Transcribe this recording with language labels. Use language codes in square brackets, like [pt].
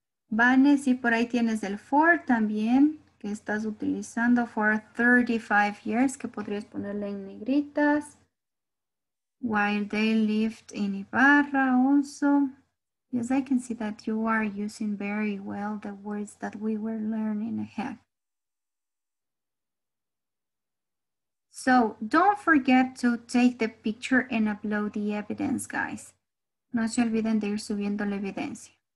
[es] Vane, sí, por ahí tienes el four también, que estás utilizando [en] for 35 years, [es] que podrías ponerle en negritas. [en] While they lived in Ibarra also. Yes, I can see that you are using very well the words that we were learning ahead. So don't forget to take the picture and upload the evidence, guys. [es] No se olviden de ir subiendo la evidencia.